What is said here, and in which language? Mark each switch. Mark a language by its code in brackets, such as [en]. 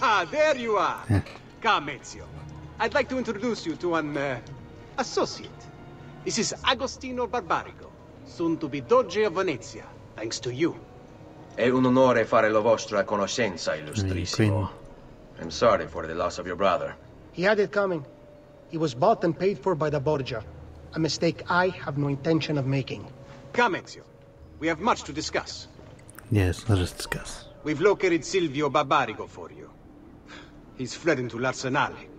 [en] There you are! Come, Ezio. I'd like to introduce you to an associate. This is Agostino Barbarigo, soon to be Doge of Venezia, thanks to you. [it] È un onore fare la vostra conoscenza, illustrissimo. [en] I'm sorry for the loss of your brother. He had it coming. He was bought and paid for by the Borgia. A mistake I have no intention of making. Come, Ezio. We have much to discuss. Yes, let us discuss. We've located Silvio Barbarigo for you. He's fled into l'Arsenale.